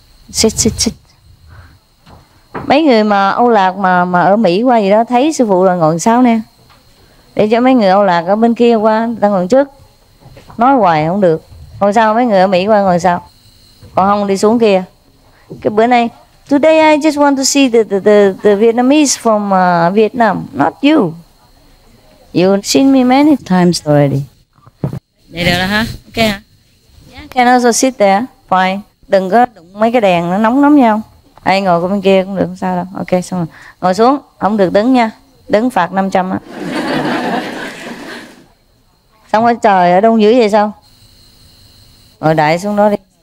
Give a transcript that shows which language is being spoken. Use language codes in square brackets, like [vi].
[vi] Sít, sít, sít. Mấy người mà Âu Lạc mà ở Mỹ qua gì đó, thấy sư phụ là ngồi sau nè. Để cho mấy người Âu Lạc ở bên kia qua, ta ngồi trước. Nói hoài không được. Ngồi sau, mấy người ở Mỹ qua ngồi sau. Còn không đi xuống kia. Cái bữa nay, [en] today I just want to see the Vietnamese from Vietnam, not you. You've seen me many times already. [vi] Đây được rồi hả? Ok hả? [en] Yeah, can also sit there. Fine. [vi] Đừng có đụng mấy cái đèn nó nóng lắm nhau. Hay ngồi bên kia cũng được, không sao đâu. Ok, xong rồi. Ngồi xuống, không được đứng nha. Đứng phạt 500 á. Xong rồi trời, ở đông dữ vậy sao? Ngồi đại xuống đó đi.